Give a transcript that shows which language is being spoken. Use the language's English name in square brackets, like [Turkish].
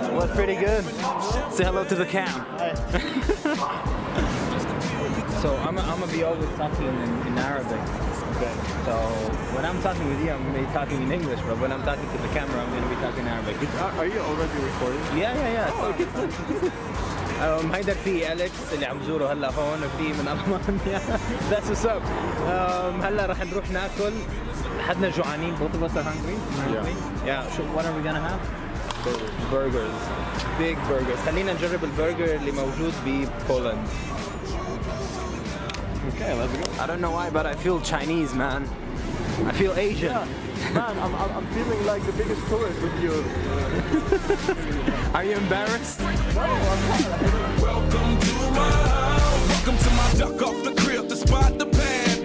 [English] What, pretty good? Say hello to the cam. So I'ma be always talking in Arabic. Okay. So when I'm talking with you, I'm gonna be talking in English, but when I'm talking to the camera, I'm gonna be talking in Arabic. Are you already recording? Yeah. [Arabic] Oh, هيدا في أليكس اللي عم زوره هلا هون، وفي من ألمانيا. [English] That's what's up. [Arabic] هلا رح نروح ناكل، حدنا جوعانين. [English] Both of us are hungry. Yeah. What are we gonna have? Burgers. Big burgers. [Arabic] خلينا نجرب البرجر اللي موجود ببولندا. [English] Okay, let's go. I don't know why, but I feel Chinese, man. I feel Asian. Yeah. Man, I'm feeling like the biggest tourist with you. Are you embarrassed? Welcome to my house. Welcome to my duck off the crib, the spot, the pad.